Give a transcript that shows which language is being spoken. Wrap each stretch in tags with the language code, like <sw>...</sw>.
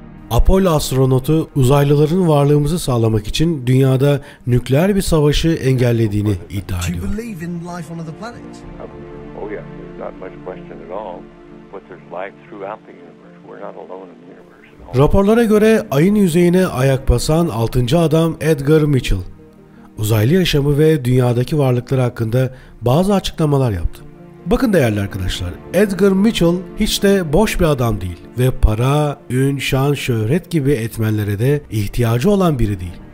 <tr>Apollo astronotu uzaylıların varlığımızı sağlamak için dünyada nükleer bir savaşı engellediğini iddia ediyor.</tr> <en>Do you believe in life on other planets? Oh yeah, not much question at all. But there's life throughout the universe. We're not alone in the universe.</en> <tr>Raporlara göre ayın yüzeyine ayak basan 6. adam Edgar Mitchell, uzaylı yaşamı ve dünyadaki varlıklar hakkında bazı açıklamalar yaptı. Bakın değerli arkadaşlar, Edgar Mitchell hiç de boş bir adam değil ve para, ün, şan, şöhret gibi etmenlere de ihtiyacı olan biri değil.</tr>